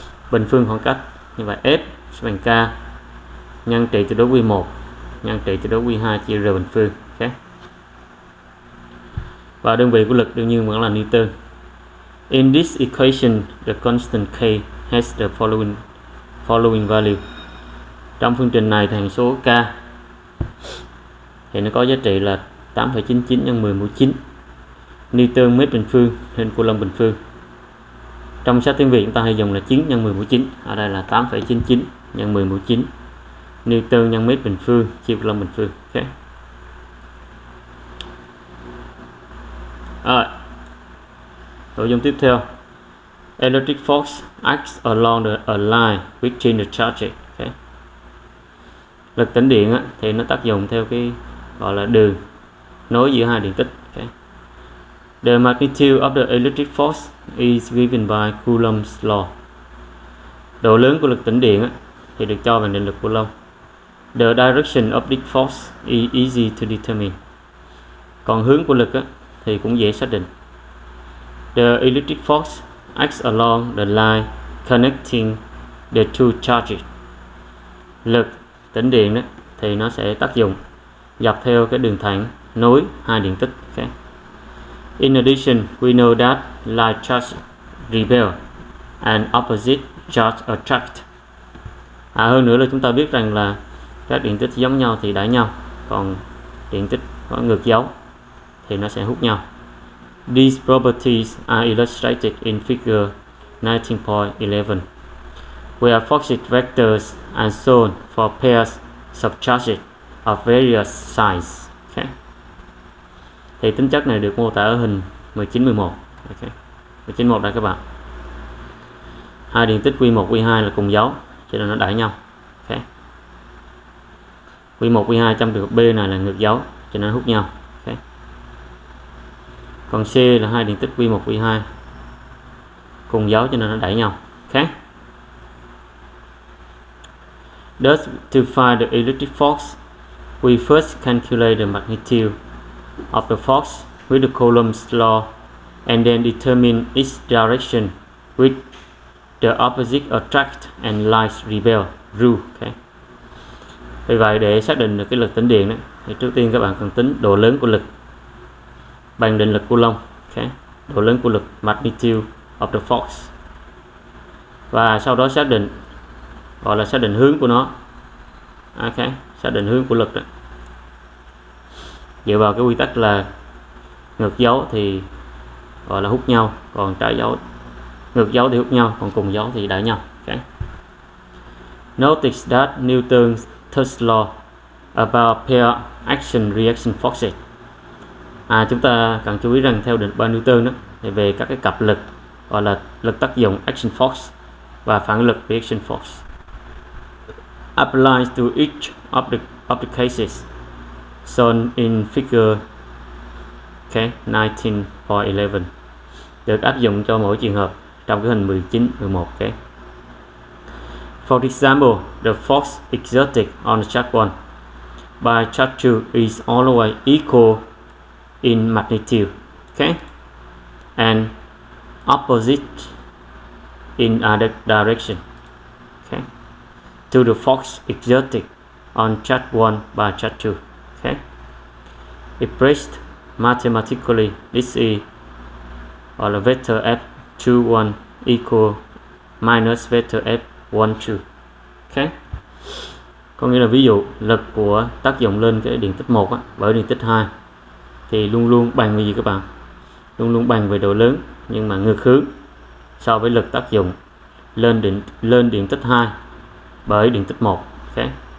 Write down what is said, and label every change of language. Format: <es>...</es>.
<vi>Bình phương khoảng cách. Như vậy, F sẽ bằng K nhân trị tuyệt đối Q1 nhân trị tuyệt đối Q2 chia R bình phương. Okay. Và đơn vị của lực đương nhiên vẫn là Newton.</vi> <en>In this equation, the constant K has the following value.</en> <vi>Trong phương trình này thì hằng số K thì nó có giá trị là 8,99 nhân 10 mũ 9 Newton mét bình phương trên Coulomb bình phương. Trong sách tiếng Việt chúng ta hay dùng là 9 nhân 10 mũ 9. Ở đây là 8,99 nhân 10 mũ 9 Newton nhân mét bình phương chia Coulomb bình phương.</vi> <en>Okay.</en> <vi>Rồi. Nội dung tiếp theo.</vi> <en>Electric force acts along a line between the charges. Okay.</en> <vi>Lực tĩnh điện á, thì nó tác dụng theo cái gọi là đường nối giữa hai điện tích.</vi> <en>Okay. The magnitude of the electric force is given by Coulomb's law.</en> <vi>Độ lớn của lực tĩnh điện á, thì được cho bằng định luật Coulomb.</vi> <en>The direction of the force is easy to determine.</en> <vi>Còn hướng của lực á, thì cũng dễ xác định.</vi> <en>The electric force acts along the line connecting the two charges.</en> <vi>Lực tĩnh điện đó, thì nó sẽ tác dụng dọc theo cái đường thẳng nối hai điện tích.</vi> <en>Okay. In addition, we know that like charges repel and opposite charges attract.</en> <vi>Hơn nữa là chúng ta biết rằng là các điện tích giống nhau thì đẩy nhau, còn điện tích có ngược dấu thì nó sẽ hút nhau.</vi> <en>These properties are illustrated in figure 19.11, where forces vectors are shown for pairs of charges of various size. Okay.</en> <vi>Thì tính chất này được mô tả ở hình 19.11. Okay. 19.11 đây các bạn. Hai điện tích Q1, Q2 là cùng dấu, cho nên nó đẩy nhau. Okay. Q1, Q2 trong trường hợp B này là ngược dấu, cho nên nó hút nhau. Còn C là hai điện tích Q1, Q2 cùng dấu cho nên nó đẩy nhau.</vi> <en>Okay. Thus, to find the electric force, we first calculate the magnitude of the force with the Coulomb's law and then determine its direction with the opposite attract and like repel rule. Okay.</en> <vi>Vì vậy, để xác định được cái lực tĩnh điện, thì trước tiên các bạn cần tính độ lớn của lực bằng định lực Coulomb, okay. Độ lớn của lực</vi> <en>magnitude of the force,</en> <vi>và sau đó xác định gọi là xác định hướng của nó, okay. Xác định hướng của lực đó, dựa vào cái quy tắc là ngược dấu thì gọi là hút nhau, còn trái dấu ngược dấu thì hút nhau, còn cùng dấu thì đẩy nhau.</vi> <en>Okay. Notice that Newton's third law about pair action reaction forces.</en> <vi>À, chúng ta cần chú ý rằng theo định ba Newton đó, thì về các cái cặp lực gọi là lực tác dụng action force và phản lực reaction force</vi> <en>applies to each of the cases shown in figure okay,</en> <vi>19.11 được áp dụng cho mỗi trường hợp trong cái hình 19.11.</vi> <en>Okay. For example, the force exerted on charge 1 by charge 2 is always equal in magnitude, okay, and opposite in other direction, okay, to the force exerted on charge 1 by charge 2, okay. Expressed mathematically, this is or the vector F 2 1 equal minus vector F 1 2, okay.</en> <vi>Có nghĩa là ví dụ lực của tác dụng lên cái điện tích 1 á, bởi điện tích 2 thì luôn luôn bằng cái gì các bạn? Luôn luôn bằng về độ lớn nhưng mà ngược hướng so với lực tác dụng lên điện tích 2 bởi điện tích 1. Okay.</vi>